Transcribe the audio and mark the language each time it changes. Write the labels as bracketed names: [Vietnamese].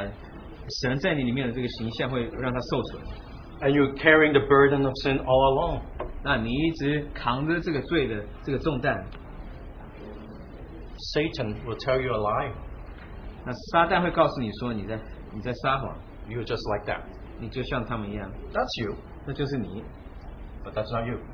[Chinese] 那会影响到神在你里面的这个形象会让它受损。 [English] And you're carrying the burden of sin all along. [Chinese] 那你一直扛着这个罪的这个重担。 [English] Satan will tell you a lie. [Chinese] 那撒旦会告诉你说你在撒谎。 [English] You're just like that. [Chinese] 你就像他们一样。 [English] That's you. [Chinese] 那就是你。 [English] But that's not you.